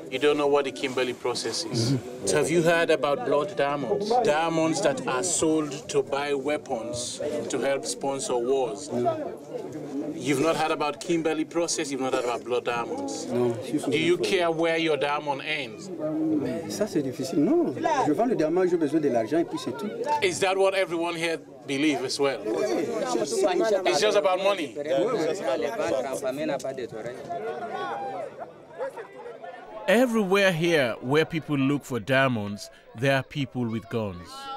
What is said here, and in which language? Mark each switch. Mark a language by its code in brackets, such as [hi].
[en] You don't know what the Kimberley process is. So have you heard about blood diamonds? Diamonds that are sold to buy weapons to help sponsor wars. You've not heard about Kimberley process, you've not heard about blood diamonds. No. Do you care where your diamond ends? [fr] Mais ça c'est difficile. Non, je vends le diamant, j'ai besoin de l'argent et puis c'est tout. [en] Is that what everyone here believe as well? [fr] Oui. [en] It's just about money. [fr] Oui. [en] Everywhere here where people look for diamonds, there are people with guns.